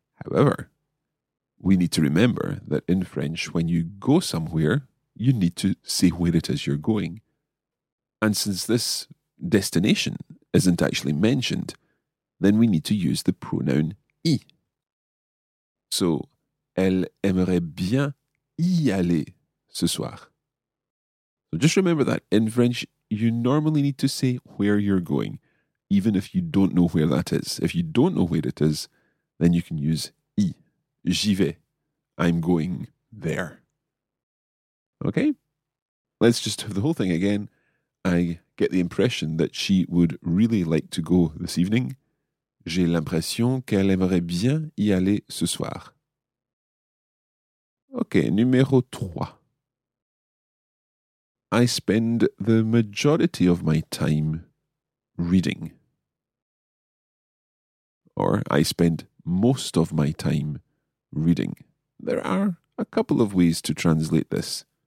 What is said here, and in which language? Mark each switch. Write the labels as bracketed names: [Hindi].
[English] However, we need to remember that in French, when you go somewhere, you need to say where it is you're going. And since this destination isn't actually mentioned, then we need to use the pronoun y. So, [French] elle aimerait bien y aller ce soir. [English] So just remember that in French, you normally need to say where you're going, even if you don't know where that is. If you don't know where it is, then you can use y. [French] J'y vais. [English] I'm going there. Okay? Let's just have the whole thing again. I get the impression that she would really like to go this evening. [French] J'ai l'impression qu'elle aimerait bien y aller ce soir. [English] Okay, numéro 3. I spend the majority of my time reading. Or, I spend most of my time reading. There are a couple of ways to translate this.